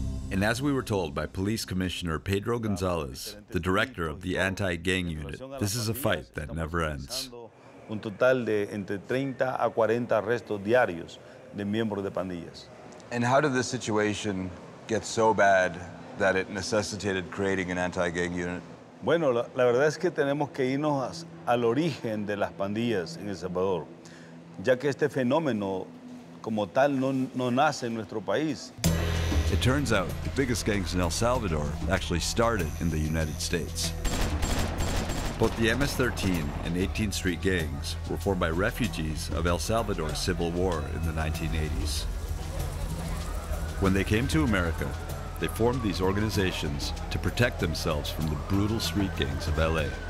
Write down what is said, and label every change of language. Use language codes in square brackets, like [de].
[en] And as we were told by Police Commissioner Pedro Gonzalez, the director of the anti-gang unit, this is a fight that never ends. [es] Un total de entre 30 a 40 arrestos diarios de miembros de pandillas. [en] And how did this situation get so bad that it necessitated creating an anti-gang unit? [es] Bueno, la verdad es que tenemos que irnos al origen de las pandillas en El Salvador, ya que este fenómeno como tal no nace en nuestro país. [en] It turns out the biggest gangs in El Salvador actually started in the United States. Both the MS-13 and 18th Street gangs were formed by refugees of El Salvador's civil war in the 1980s. When they came to America, they formed these organizations to protect themselves from the brutal street gangs of LA.